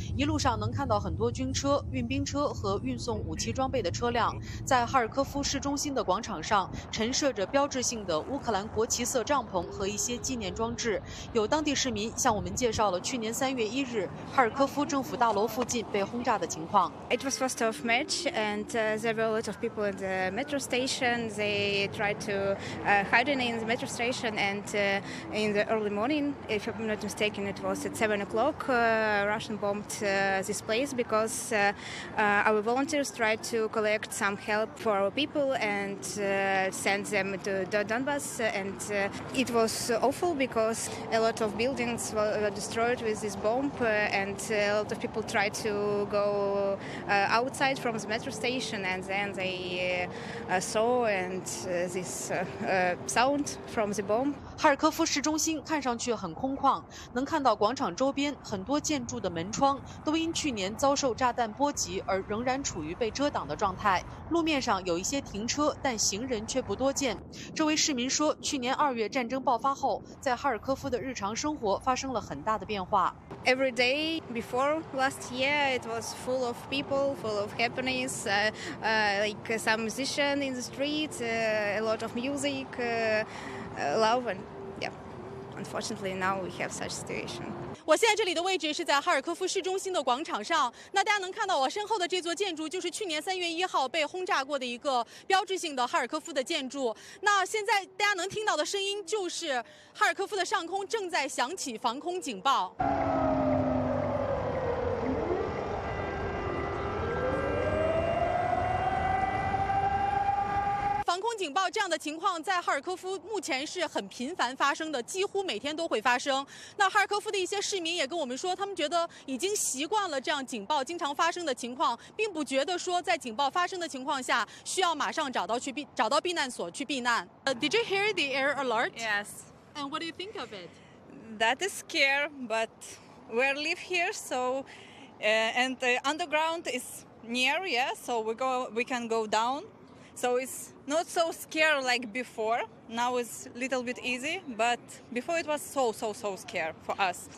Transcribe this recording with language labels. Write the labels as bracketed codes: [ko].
[zh] 一路上能看到很多军车、运兵车和运送武器装备的车辆。在哈尔科夫市中心的广场上，陈设着标志性的乌克兰国旗色帐篷和一些纪念装置。有当地市民向我们介绍了去年3月1日哈尔科夫政府大楼附近被轰炸的情况。 [en] It was first of March, and there were a lot of people in the metro station. They tried to hide in the metro station. And in the early morning, if I'm not mistaken, it was at 7 o'clock, Russian bombed this place because our volunteers tried to collect some help for our people and send them to Donbas. And it was awful because a lot of buildings were destroyed with this bomb and a lot of people tried to go outside from the metro station and then they saw and this sound from the bomb. [zh] 哈尔科夫市中心看上去很空旷，能看到广场周边很多建筑的门窗都因去年遭受炸弹波及而仍然处于被遮挡的状态。路面上有一些停车，但行人却不多见。这位市民说，去年2月战争爆发后，在哈尔科夫的日常生活发生了很大的变化。 [en] Every day before last year, it was full of people, full of happiness. Like some musician in the street, a lot of music. Love and yeah, unfortunately now we have such situation. [zh] 我现在这里的位置是在哈尔科夫市中心的广场上，那大家能看到我身后的这座建筑就是去年3月1号被轰炸过的一个标志性的哈尔科夫的建筑。那现在大家能听到的声音就是哈尔科夫的上空正在响起防空警报。防空警报这样的情况在哈尔科夫目前是很频繁发生的，几乎每天都会发生。那哈尔科夫的一些市民也跟我们说，他们觉得已经习惯了这样警报经常发生的情况，并不觉得说在警报发生的情况下需要马上找到避难所去避难。 [en] Did you hear the air alert? Yes. And what do you think of it? That is scary, but we live here, so and the underground is near, yeah, so we can go down. So it's not so scary like before. Now it's a little bit easy, but before it was so scary for us.